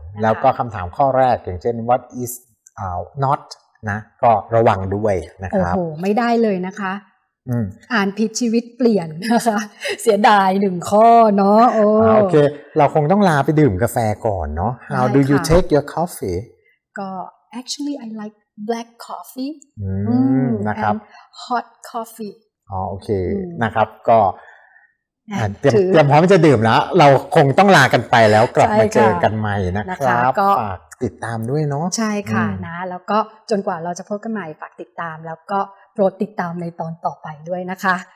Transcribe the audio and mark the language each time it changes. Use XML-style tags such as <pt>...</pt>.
<th>แล้วก็คำถามข้อแรกอย่างเช่น</th> <en>what is not</en> <th>นะก็ระวังด้วยนะครับ โอ้โหไม่ได้เลยนะคะอ่านผิดชีวิตเปลี่ยนนะคะเสียดาย1ข้อเนาะ โอเคเราคงต้องลาไปดื่มกาแฟก่อนเนาะ</th> <en>how do you take your coffee</en> <th>ก็</th> <en>actually I like black coffee</en> <th>นะครับ</th> <en>hot coffee</en> <th>อ๋อโอเคนะครับก็เตรียมพร้อมจะดื่มแล้วเราคงต้องลากันไปแล้วกลับมาเจอกันใหม่นะครับฝากติดตามด้วยเน า ะ ใช่ค่ะนะแล้วก็จนกว่าเราจะพบกันใหม่ฝากติดตามแล้วก็โปรดติดตามในตอนต่อไปด้วยนะคะ</th>